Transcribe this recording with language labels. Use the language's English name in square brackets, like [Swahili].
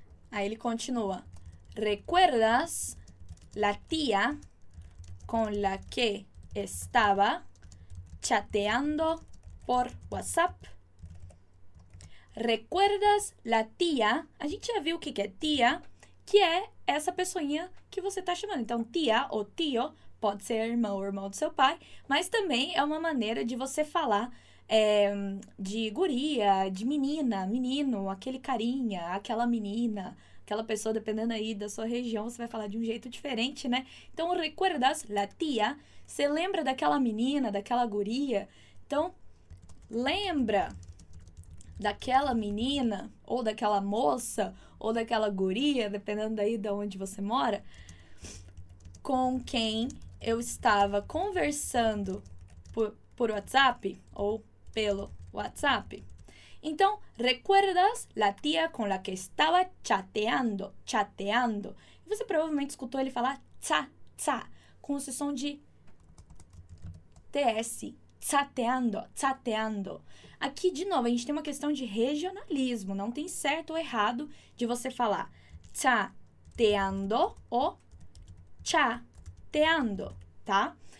[Portuguese] Aí ele continua: [Spanish] recuerdas la tía con la que estaba chateando por WhatsApp? Recuerdas la tía? [Portuguese] A gente já viu o que é tía, que é essa pessoinha que você tá chamando. Então, tia ou tio pode ser irmão ou irmão do seu pai, mas também é uma maneira de você falar de guria, de menina, menino, aquele carinha, aquela menina, aquela pessoa, dependendo aí da sua região, você vai falar de um jeito diferente, né? Então, [Spanish] recuerdas la tía? [Portuguese] Você lembra daquela menina, daquela guria? Então, lembra daquela menina, ou daquela moça, ou daquela guria, dependendo aí de onde você mora, com quem eu estava conversando por WhatsApp, ou pelo WhatsApp? [Spanish] Então, recuerdas la tía con la que estaba chateando, chateando? [Portuguese] Você provavelmente escutou ele falar tsa, tsa, com esse som de TS, chateando, chateando. Aqui, de novo, a gente tem uma questão de regionalismo. Não tem certo ou errado de você falar chateando ou chateando, tá?